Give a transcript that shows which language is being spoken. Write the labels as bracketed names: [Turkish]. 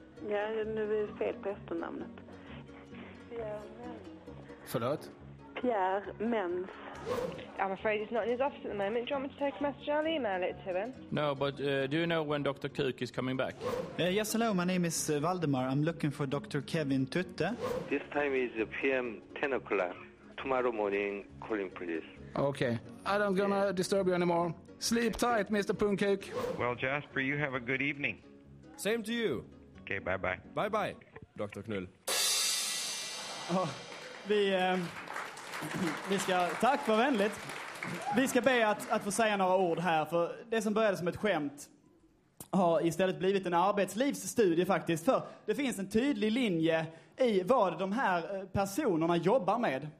[Swedish] Ja, nu är det fel på efternamnet. Förlåt? Pierre Mens. [English] I'm afraid he's not in his office at the moment. Do you want me to take a message? I'll email it to him. No, but do you know when Dr. Kuk is coming back? Yes, hello, my name is Valdemar. I'm looking for Dr. Kevin Tutte. This time is PM 10 o'clock. Tomorrow morning, calling police. Okay, I don't gonna disturb you anymore. Sleep tight, Mr. Pungkuk. Well, Jasper, you have a good evening. Same to you. Okej, okay, bye bye. Bye bye, Dr. Knull. [Swedish] Oh, vi ska, tack för vänligt. Vi ska be att få säga några ord här, för det som började som ett skämt har istället blivit en arbetslivsstudie faktiskt. För det finns en tydlig linje i vad de här personerna jobbar med.